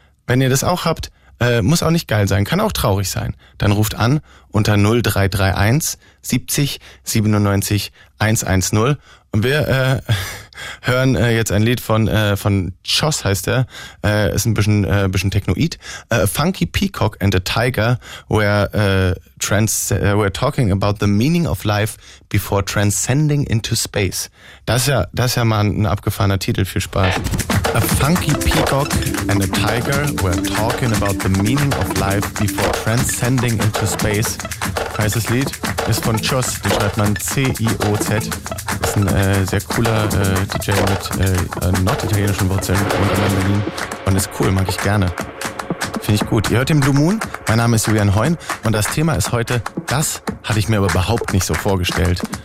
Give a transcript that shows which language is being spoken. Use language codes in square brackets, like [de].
[de] Wenn ihr das auch habt, muss auch nicht geil sein, kann auch traurig sein. Dann ruft an unter 0331 70 97 110. Und wir hören jetzt ein Lied von Joss, heißt er. Ist ein bisschen Technoid. [en] Funky Peacock and a Tiger, we're talking about the meaning of life before transcending into space. [de] Das ist ja mal ein abgefahrener Titel. Viel Spaß. [en] A funky peacock and a tiger were talking about the meaning of life before transcending into space. [de] Heißt das Lied, ist von Joss, den schreibt man C-I-O-Z. Ist ein sehr cooler DJ mit norditalienischen Wurzeln und in Berlin. Und ist cool, mag ich gerne. Finde ich gut. Ihr hört den Blue Moon, mein Name ist Julian Heun und das Thema ist heute, das hatte ich mir aber überhaupt nicht so vorgestellt.